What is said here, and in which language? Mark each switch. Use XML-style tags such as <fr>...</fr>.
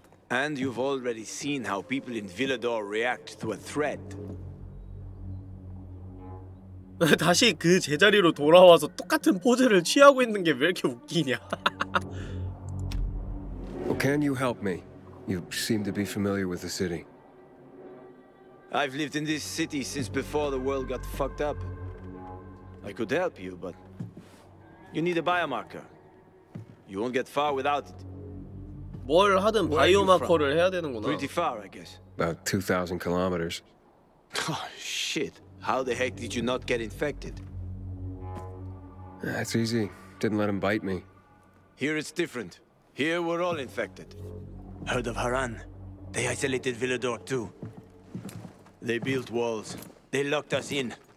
<en>And you've already seen how people in Villador react to a threat.</en> <ko>다시 그 제자리로 돌아와서 똑같은 포즈를 취하고 있는 게 왜 이렇게 웃기냐.</ko> <en>Well, can you help me? You seem to be familiar with the city. I've lived in this city since before the world got fucked up. I could help you, but you need a biomarker. You won't get far without it.</en> <ko>뭘 하든 바이오마커를 해야 되는구나.</ko> <en>Pretty far, I guess. About 2,000 kilometers. Oh, shit. How the heck did you not get infected? That's easy. Didn't let him bite me. Here it's different. Here we're all infected. Heard of Haran. They isolated Villador too. They built walls. They locked us in.</en>